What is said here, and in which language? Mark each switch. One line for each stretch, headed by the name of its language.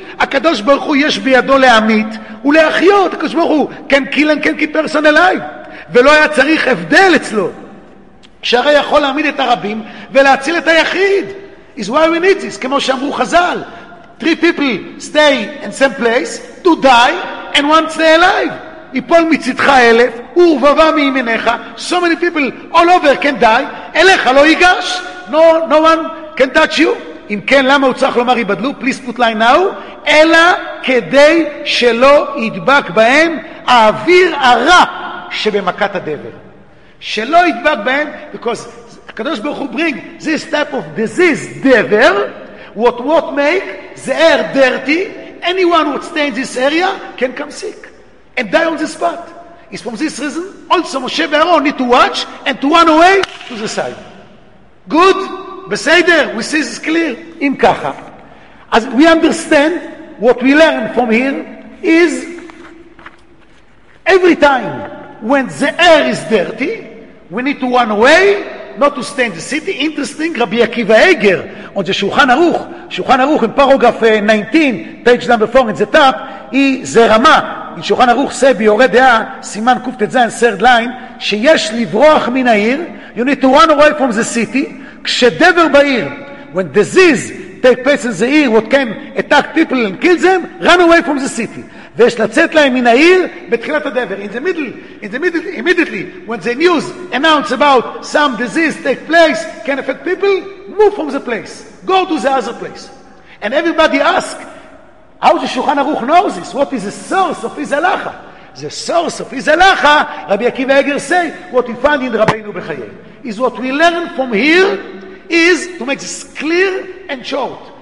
Hebrew: הקדוש ברוך הוא יש בידו להמית ולהחיות.
English: הקדוש ברוך הוא can kill and can keep person alive.
Hebrew: ולא היה צריך הבדל אצלו. שהרי יכול להעמיד את הרבים ולהציל את היחיד.
English: Is why we need this.
Hebrew: כמו שאמרו חזל.
English: Three people stay in same place to die and one stay alive.
Hebrew: יפול מצדך אלף, הוא רבבה מימיניך.
English: So many people all over can die.
Hebrew: אליך לא ייגש.
English: No one can touch you.
Hebrew: אם כן, למה הוא צריך לומר יבדלו?
English: Please put line now.
Hebrew: אלא כדי שלא ידבק בהם האוויר הרע שבמכת הדבר. שלא ידבק בהם,
English: because הקדוש ברוך הוא bring this type of disease, דבר, what make the air dirty, anyone who stay in this area can come sick and die on the spot. It's from this reason, also Moshe ואהרון need to watch and to run away to the side. Good?
Hebrew: בסדר,
English: we see this clear.
Hebrew: אם ככה,
English: as we understand what we learn from here is every time when the air is dirty, we need to run away, not to stay in the city. Interesting, Rabbi Akiva Eger on the Shulchan Aruch in paragraph 19, page number 4 in the top, he Zerama in Shulchan Aruch say,
Hebrew: ביורי דעה, סימן קוף תזיין,
English: third line,
Hebrew: שיש לברוח מן העיר,
English: you need to run away from the city,
Hebrew: כשדבר בעיר,
English: when disease take place in the city, what can attack people and kill them, run away from the city.
Hebrew: ויש לצאת להם מן העיר בתחילת הדבר.
English: In the middle, immediately, when the news announced about some disease take place, can affect people, move from the place. Go to the other place. And everybody asks, how does Shulchan Aruch know this? What is the source of his halacha? The source of his halacha, Rabbi Akiva Eger say, what we find in Rabbeinu Bechayei, is what we learn from here, is to make this clear and short.